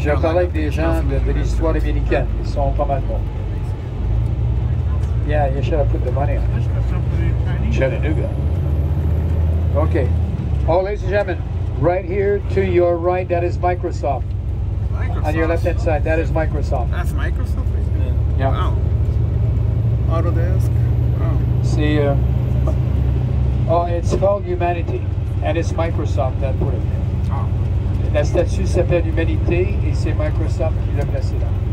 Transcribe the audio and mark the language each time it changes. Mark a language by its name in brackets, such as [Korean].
[French] Je parlais avec des gens de l'histoire américaine. Ils sont pas mal bons. [English] Yeah, you should have put the money on. Chattanooga. Okay. Oh, ladies and gentlemen. Right here to your right, that is Microsoft. Microsoft. On your left hand side, that is Microsoft. That's Microsoft? Yeah. Wow. Autodesk. Wow. See, it's called Humanity, and it's Microsoft that put it there. Oh. [French] La statue s'appelle Humanité, et c'est Microsoft qui l'a placé là.